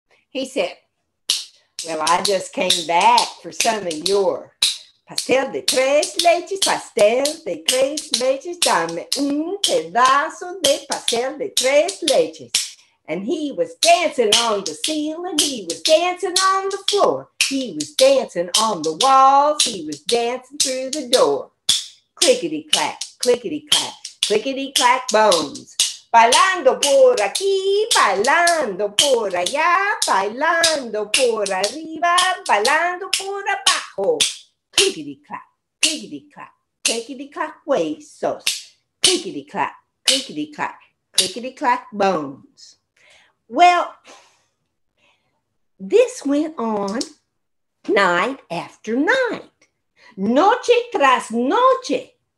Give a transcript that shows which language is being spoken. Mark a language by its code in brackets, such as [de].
[en] He said, well, I just came back for some of your [es] pastel de tres leches, [en] pastel de tres leches, dame un pedazo de pastel de tres leches. And he was dancing on the ceiling, he was dancing on the floor, he was dancing on the walls, he was dancing through the door. Clickety-clack, clickety-clack, clickety-clack bones. [es] Bailando por aquí, bailando por allá, bailando por arriba, bailando por abajo. [en] Clickety-clack, clickety-clack, clickety-clack huesos. Clickety-clack, clickety-clack, clickety-clack bones. Well, this went on night after night, [es] noche tras noche.